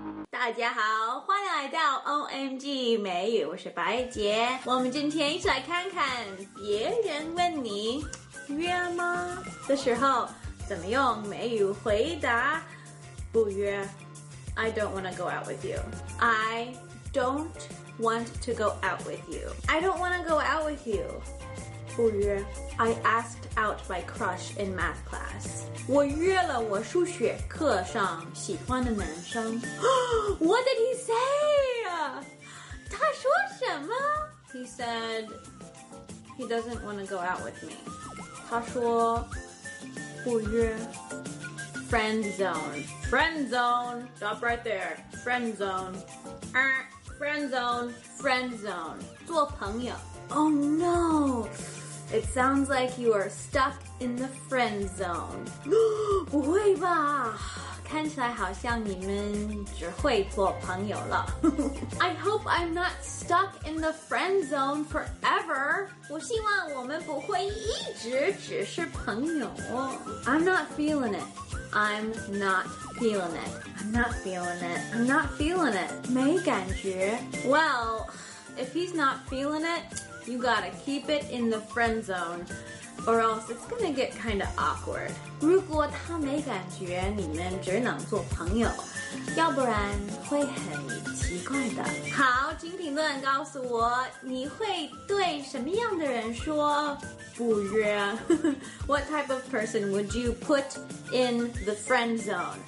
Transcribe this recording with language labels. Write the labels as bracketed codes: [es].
[zh] 大家好，欢迎来到 OMG 美语，我是白洁。我们今天一起来看看别人问你约吗的时候怎么用美语回答。不约。 [en] I don't want to go out with you. I don'twant to go out with you. I don't want to go out with you. [zh] 不约。 [en] I asked out my crush in math class. [zh] 我约了我数学课上喜欢的男生。 [en] What did he say? [zh] 他说什么？ [en] He said he doesn't want to go out with me. [zh] 他说不约。 [en] Friend zone. Friend zone. Stop right there. Friend zone. Friend zone, friend zone. [zh] 做朋友。 [en] Oh no! It sounds like you are stuck in the friend zone. [zh] 不会吧？看起来好像你们只会做朋友了。 [en] I hope I'm not stuck in the friend zone forever. [zh] 我希望我们不会一直只是朋友。 [en] I'm not feeling it. I'm not feeling it. I'm not feeling it. [zh] 没感觉。 [en] Well, if he's not feeling it, you gotta keep it in the friend zone, or else it's gonna get kind of awkward. [zh] 如果他没感觉，你们只能做朋友，要不然会很奇怪的。好，请评论告诉我，你会对什么样的人说不约。 [en] What type of person would you put in the friend zone?